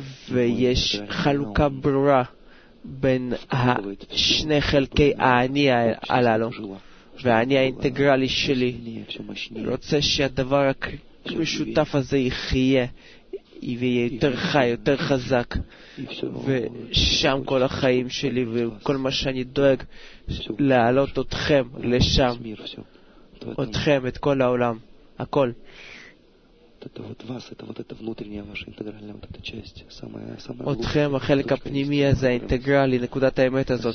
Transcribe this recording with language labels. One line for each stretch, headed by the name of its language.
Hebrew: ויש חלוקה ברורה בין שני חלקי האני הללו, והאני האינטגרלי שלי, רוצה שהדבר המשותף הזה יחיה, ויהיה יותר חי, יותר חזק, ושם כל החיים שלי וכל מה שאני דואג להעלות אתכם לשם, אתכם, את כל העולם, הכל.
Russian: Это вот вас, это вот эта внутренняя ваша интегральная вот эта часть, самая самая. Вот хем,
Hebrew: החלק הפנימי הזה, האינטגרלי, נקודת האמת הזאת.